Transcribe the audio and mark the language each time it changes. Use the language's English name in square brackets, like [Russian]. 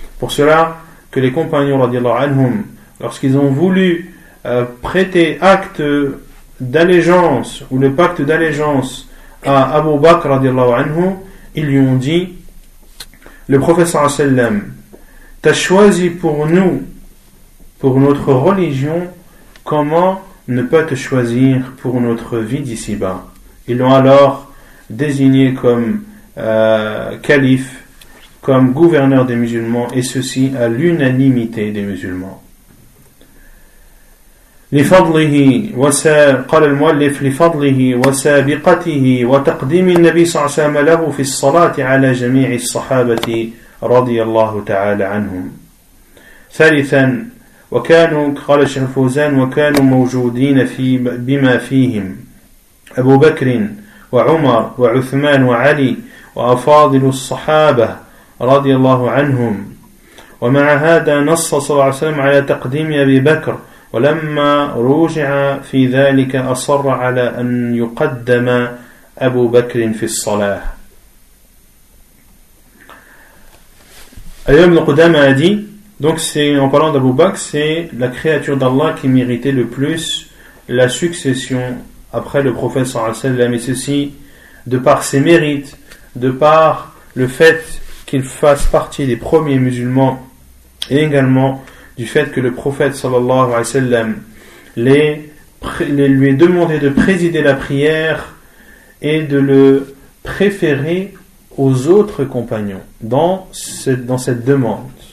[French] Pour cela, que les compagnons, radiallahu anhum, lorsqu'ils ont voulu prêter acte d'allégeance ou le pacte d'allégeance à Abu Bakr, radiallahu anhu, ils lui ont dit « Le prophète, sallallahu alayhi wa sallam, t'as choisi pour nous, pour notre religion, comment ne pas te choisir pour notre vie d'ici-bas ?» Ils l'ont alors désigné comme calife, comme gouverneur des musulmans, et ceci à l'unanimité des musulmans. [Arabic] لفضله قال المؤلف لفضله وسابقته وتقديم النبي صلى الله عليه وسلم له في الصلاة على جميع الصحابة رضي الله تعالى عنهم. ثالثا وكانوا قال الشيخ الفوزان وكانوا موجودين في بما فيهم أبو بكر وعمر وعثمان وعلي وأفاضل الصحابة رضي الله عنهم ومع هذا نص صلى الله عليه وسلم على تقديم أبي بكر ولما رجع في ذلك أصر على أن يقدم أبو بكر في الصلاة. أيام القدامى دي. [French] Donc c'est en parlant d'Abu Bakr, c'est la créature d'Allah qui méritait le plus la succession après le prophète [Arabic] صلى الله عليه وسلم. [French] Et ceci de par ses mérites, de par le fait qu'il fasse partie des premiers musulmans et également du fait que le prophète sallallahu alayhi wa sallam lui ait demandé de présider la prière et de le préférer aux autres compagnons dans cette demande.